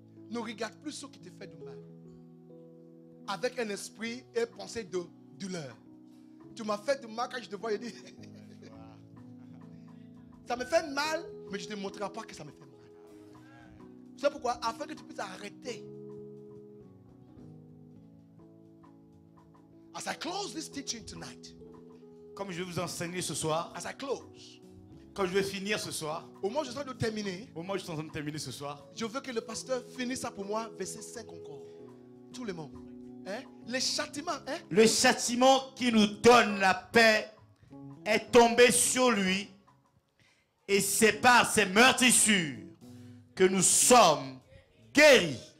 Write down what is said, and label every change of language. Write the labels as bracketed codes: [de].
[fr] Ne regarde plus ce qui te fait du mal. Avec un esprit et pensée de douleur. Tu m'as fait du mal quand je te vois et dis ça me fait mal, mais je ne te montrerai pas que ça me fait mal. Tu sais pourquoi? Afin que tu puisses arrêter. [en] As I close this teaching tonight, [fr] comme je vais vous enseigner ce soir, [en] as I close, [fr] comme je vais finir ce soir, au moment où je suis en train de terminer, au moment où je suis en train de terminer ce soir, je veux que le pasteur finisse ça pour moi, verset 5 encore. Tout le monde. Hein? Les châtiments, hein? Le châtiment qui nous donne la paix est tombé sur lui, et c'est par ses meurtrissures que nous sommes guéris.